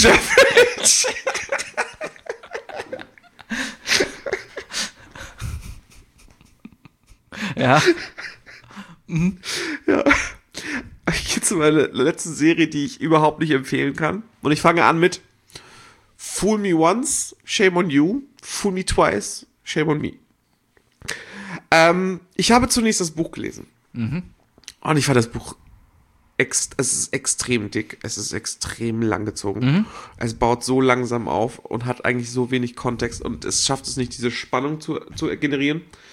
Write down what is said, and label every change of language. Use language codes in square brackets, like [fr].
[en] Ginger Bridge. [de] Ja. Ja. Ich gehe zu meiner letzten Serie, die ich überhaupt nicht empfehlen kann. Und ich fange an mit [en] Fool me once, shame on you. Fool me twice, shame on me. [de] Ich habe zunächst das Buch gelesen. Mhm. Und ich fand das Buch, es ist extrem dick, es ist extrem langgezogen. Mhm. Es baut so langsam auf und hat eigentlich so wenig Kontext und es schafft es nicht, diese Spannung zu generieren.